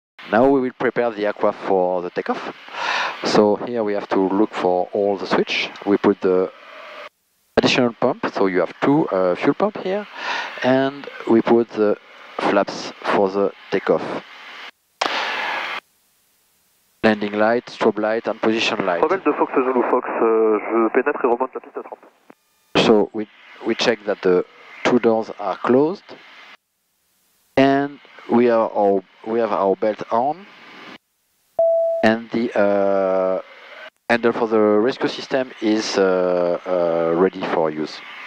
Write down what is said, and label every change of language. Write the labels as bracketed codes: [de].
[en] Now we will prepare the aircraft for the takeoff. So here we have to look for all the switch. We put the additional pump, so you have two fuel pump here, and we put the flaps for the takeoff. Landing light, strobe light, and position light. [fr] Rebelle de Fox Zulu Fox, je pénètre et remonte la piste à 30. [en] So we check that the two doors are closed, and we have our belt on, and the handle for the rescue system is ready for use.